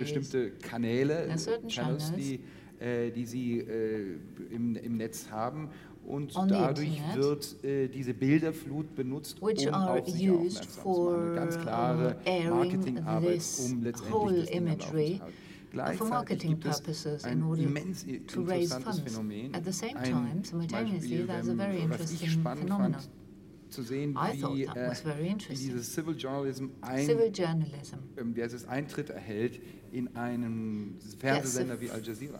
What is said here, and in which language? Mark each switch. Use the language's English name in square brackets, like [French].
[German] Bestimmte Kanäle, channels, die sie im Netz haben. Und dadurch Internet, wird diese Bilderflut benutzt, um auf sich aufmerksam zu machen. Ganz klare Marketingarbeit, um letztendlich das Ding am Laufen zu halten. Gleichzeitig gibt es ein immens interessantes Phänomen. [English] At the same time, simultaneously, that's a very interesting phenomenon. [German] Zu sehen, wie dieses Civil Journalism, Eintritt erhält in einem Fernsehsender wie Al Jazeera.